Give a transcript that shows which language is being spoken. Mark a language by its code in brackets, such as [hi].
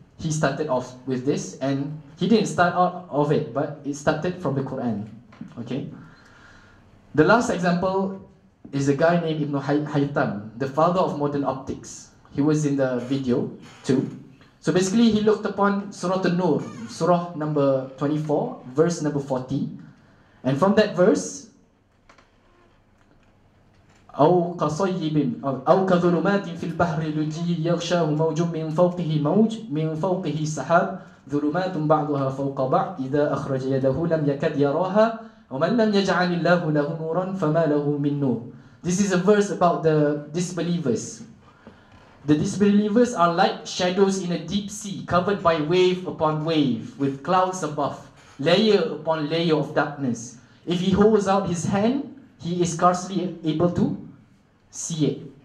[en] He started off with this, and he didn't start out of it, but it started from the Quran. Okay? The last example is a guy named Ibn Haytham, the father of modern optics. He was in the video too. So basically, he looked upon Surah An-Nur, Surah number 24, verse number 40. And from that verse, [ar] أو كظلمات في البحر لجي يغشاه موج من فوقه موج من فوقه سحاب ظلمات بعضها فوق بعض إذا أخرج يده لم يكد يراها ومن لم يجعل الله له نورا فما له من نور. [en] This is a verse about the disbelievers. The disbelievers are like shadows in a deep sea, covered by wave upon wave, with clouds above, layer upon layer of darkness. If he holds out his hand, he is scarcely able to see it.